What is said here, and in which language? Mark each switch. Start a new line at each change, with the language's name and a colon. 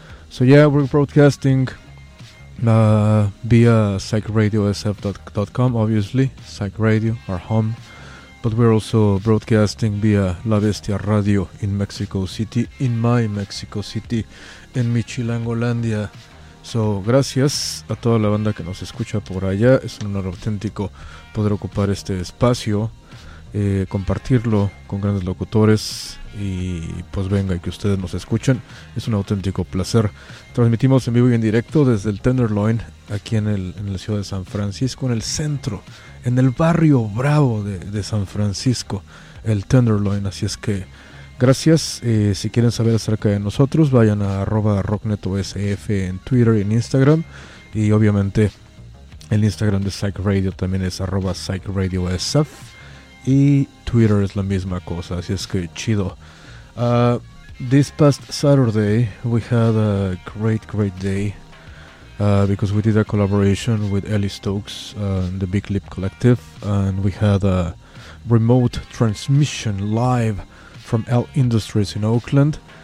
English: So yeah, we're broadcasting via psychradiosf.com, obviously, Psych Radio, our home. But we're also broadcasting via La Bestia Radio in Mexico City, in my Mexico City, in Michilangolandia.
Spanish: So, gracias a toda la banda que nos escucha por allá. Es un honor auténtico poder ocupar este espacio, compartirlo con grandes locutores. Y pues venga, y que ustedes nos escuchen. Es un auténtico placer. Transmitimos en vivo y en directo desde el Tenderloin, aquí en la ciudad de San Francisco, en el centro, en el barrio bravo de San Francisco, el Tenderloin. Así es que gracias. Si quieren saber acerca de nosotros, vayan a @rocknetosf en Twitter y en Instagram. Y obviamente el Instagram de Psych Radio también es @psychradiosf. Y Twitter es la misma cosa, así es que chido.
English: This past Saturday, we had a great, great day. Because we did a collaboration with Ellie Stokes and the Big Lip Collective, and we had a remote transmission live from L Industries in Oakland.